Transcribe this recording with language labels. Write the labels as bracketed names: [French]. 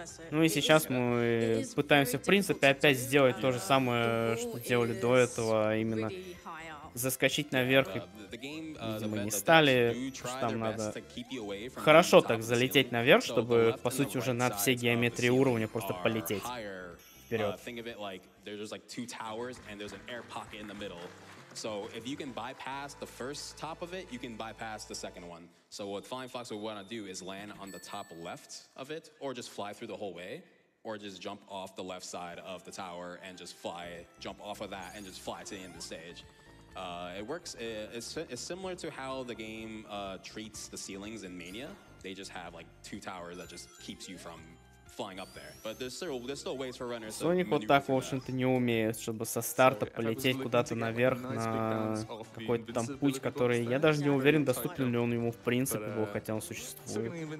[Russian] Ну и сейчас мы пытаемся, в принципе, опять сделать то же самое, что делали до этого, именно... Заскочить наверх, видимо, не стали, потому что там надо хорошо так залететь наверх, чтобы, по сути, уже над всей геометрией уровня просто полететь вперед. [English] So if you can bypass the first top of it, you can bypass the second one. So what Flying Fox would want to do is land on the top left of it, or just fly through the whole way. Or just jump off the left side of the tower and just fly, jump off of that and just fly to the end of the stage. It works. It's similar to how the game treats the ceilings in Mania. They just have like two towers that just keeps you from flying up there. But there's still ways for runners. [Russian] Sonic вот так, в общем-то, не умеет, чтобы со старта полететь куда-то наверх на какой-то там путь, который я даже не уверен, доступен ли он ему в принципе, хотя он существует.